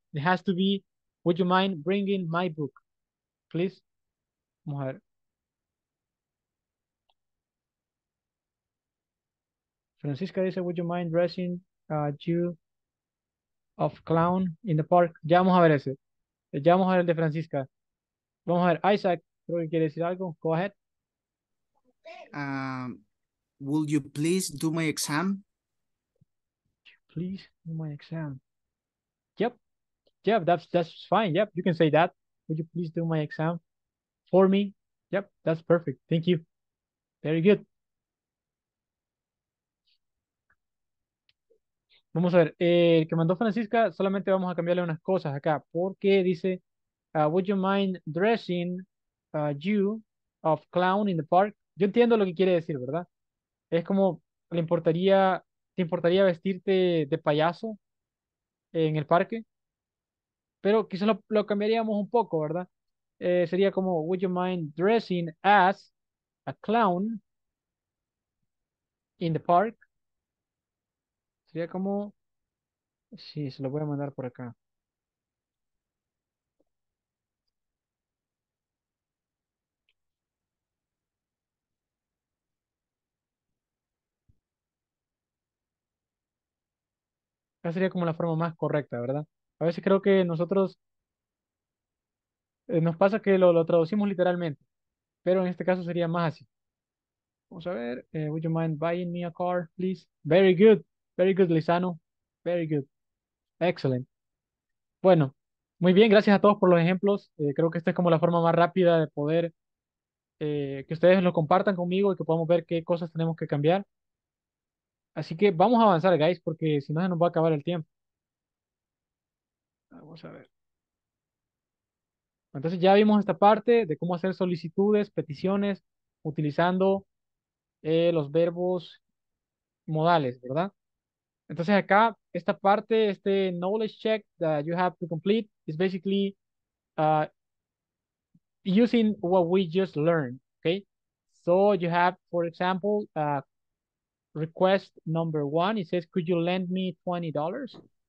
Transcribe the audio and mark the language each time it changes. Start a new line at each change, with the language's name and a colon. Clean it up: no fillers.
English: It has to be, would you mind bringing my book, please?
Spanish: Vamos a ver.
English: Francisca
Spanish: dice,
English: would you mind dressing you of clown in the park?
Spanish: Ya vamos a ver ese. Ya vamos a ver el de Francisca. Vamos a ver, Isaac, creo que quiere decir algo.
English: Go ahead. Will you please do my exam? Please do my exam. Yep. Yep, that's fine. Yep, you can say that. Would you please do my exam for me? Yep, that's perfect. Thank you. Very good.
Spanish: Vamos a ver. El que mandó Francisca, solamente vamos a cambiarle unas cosas acá. Porque dice,
English: would you mind dressing you of clown in the park?
Spanish: Yo entiendo lo que quiere decir, ¿verdad? Es como, le importaría... ¿Te importaría vestirte de payaso en el parque? Pero quizás lo cambiaríamos un poco, ¿verdad? Sería como,
English: would you mind dressing as a clown in the park?
Spanish: Sería como, sí, se lo voy a mandar por acá. Esa sería como la forma más correcta, ¿verdad? A veces creo que nosotros nos pasa que lo traducimos literalmente, pero en este caso sería más así. Vamos a ver,
English: would you mind buying me a car, please? Very good, Lizano, very good, excellent.
Spanish: Bueno, muy bien, gracias a todos por los ejemplos. Creo que esta es como la forma más rápida de poder que ustedes lo compartan conmigo y que podamos ver qué cosas tenemos que cambiar. Así que vamos a avanzar, guys, porque si no se nos va a acabar el tiempo. Vamos a ver. Entonces ya vimos esta parte de cómo hacer solicitudes, peticiones, utilizando los verbos modales, ¿verdad? Entonces acá, esta parte, este
English: knowledge check that you have to complete is basically using what we just learned, okay? So you have, for example, request number one, it says, could you lend me $20?